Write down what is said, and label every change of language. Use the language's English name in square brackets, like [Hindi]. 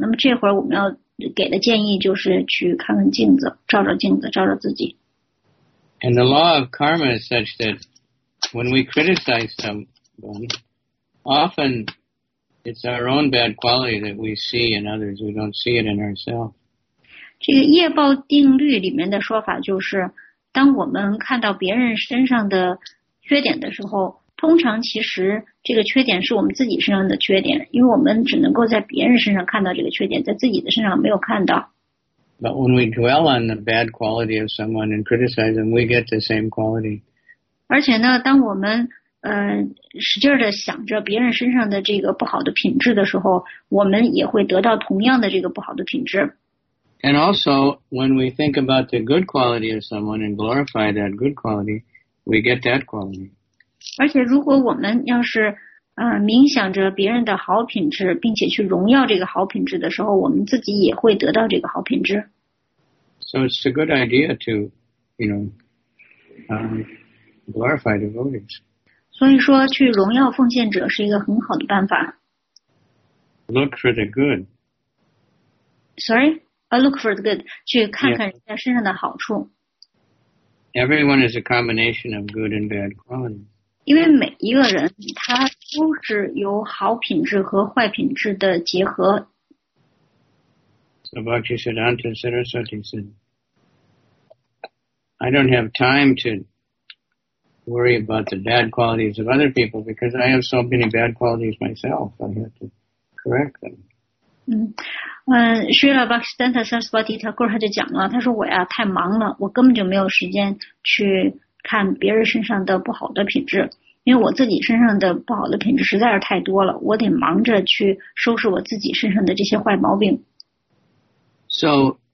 [Chinese] 那么这会儿我们要给的建议就是去看看镜子，照照镜子，照照自己。 [English] And the law of karma is such that when we criticize someone, often. It's our own bad quality that we see in others. We don't see it in ourselves. [Chinese] 这个业报定律里面的说法就是，当我们看到别人身上的缺点的时候，通常其实这个缺点是我们自己身上的缺点，因为我们只能够在别人身上看到这个缺点，在自己的身上没有看到。 [English] But when we dwell on the bad quality of someone and criticize them, we get the same quality. [Chinese] 而且呢，当我们使劲的想着别人身上的这个不好的品质的时候，我们也会得到同样的这个不好的品质。 [English] And also, when we think about the good quality of someone and glorify that good quality, we get that quality. [Chinese] 而且，如果我们要是冥想着别人的好品质，并且去荣耀这个好品质的时候，我们自己也会得到这个好品质。 [English] So it's a good idea to, you know, glorify devotees. [Chinese] 所以说去荣耀奉献者是一个很好的办法。 [English] Look for the good. Sorry? Look for the good. [Chinese] 去看看人家身上的好处。 [English] Yeah. Everyone is a combination of good and bad qualities. [Chinese] 因为每一个人他都是由好品质和坏品质的结合。 [English] So Bhaktisiddhanta Saraswati said, I don't have time to worry about the bad qualities of other people because I have so many bad qualities myself. I have to correct them. [Chinese] 嗯，Srila Bhaktisiddhanta Saraswati Thakur 他就讲了，他说我呀太忙了，我根本就没有时间去看别人身上的不好的品质，因为我自己身上的不好的品质实在是太多了，我得忙着去收拾我自己身上的这些坏毛病。So